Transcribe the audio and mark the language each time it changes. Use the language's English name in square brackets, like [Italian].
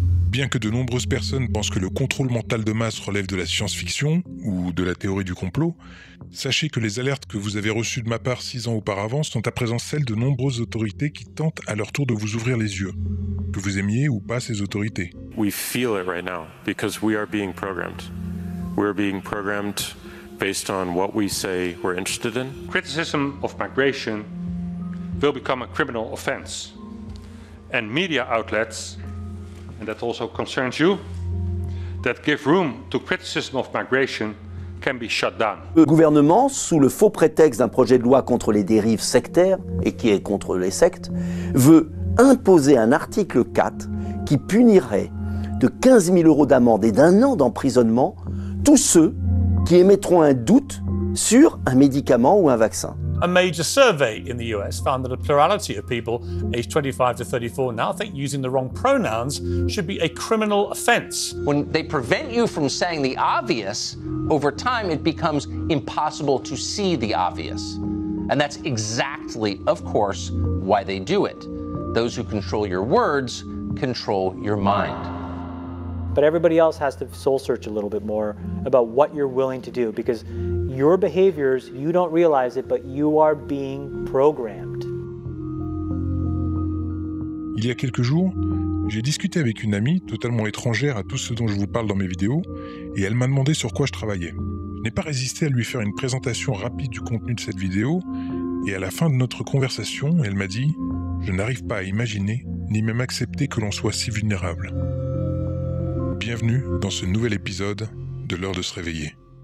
[French] Bien que de nombreuses personnes pensent que le contrôle mental de masse relève de la science-fiction ou de la théorie du complot, sachez que les alertes que vous avez reçues de ma part 6 ans auparavant sont à présent celles de nombreuses autorités qui tentent à leur tour de vous ouvrir les yeux, que vous aimiez ou pas ces autorités. [English] We feel it right now because we are being programmed. We are being programmed based on what we say we're interested in. Criticism of migration will become a criminal offense, and media outlets. And that also concerns you, that give room to criticism of migration can be shut down. [French] Le gouvernement, sous le faux prétexte d'un projet de loi contre les dérives sectaires, et qui est contre les sectes, veut imposer un article 4 qui punirait de 15 000 euros d'amende et d'un an d'emprisonnement tous ceux qui émettront un doute sur un médicament ou un vaccin. [English] A major survey in the US found that a plurality of people aged 25 to 34 now think using the wrong pronouns should be a criminal offense. When they prevent you from saying the obvious, over time it becomes impossible to see the obvious. And that's exactly, of course, why they do it. Those who control your words control your mind. But everybody else has to soul search a little bit more about what you're willing to do, because your behaviors, you don't realize it, but you are being programmed. [French] Il y a quelques jours, j'ai discuté avec une amie totalement étrangère à tout ce dont je vous parle dans mes vidéos, et elle m'a demandé sur quoi je travaillais. Je n'ai pas résisté à lui faire une présentation rapide du contenu de cette vidéo, et à la fin de notre conversation, elle m'a dit « Je n'arrive pas à imaginer, ni même accepter que l'on soit si vulnérable. » Bienvenue dans ce nouvel épisode de l'heure de se réveiller.